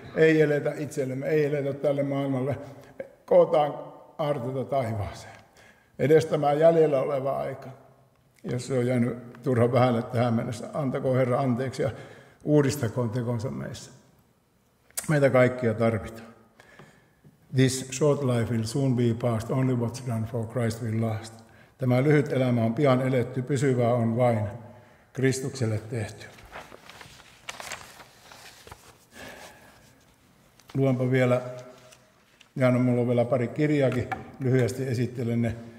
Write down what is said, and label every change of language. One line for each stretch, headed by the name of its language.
Finnish: Ei eletä itsellemme, ei eletä tälle maailmalle. Kootaan aarteita taivaaseen. Edes tämä jäljellä oleva aika, jos se on jäänyt turha vähälle tähän mennessä, antakoon Herra anteeksi ja uudistakoon tekonsa meissä. Meitä kaikkia tarvitaan.
English: This short life will soon be past, only what's done for Christ will last.
Finnish: Tämä lyhyt elämä on pian eletty, pysyvää on vain Kristukselle tehty. Luenpa vielä, Jaana, mulla on vielä pari kirjaakin, lyhyesti esittelen ne.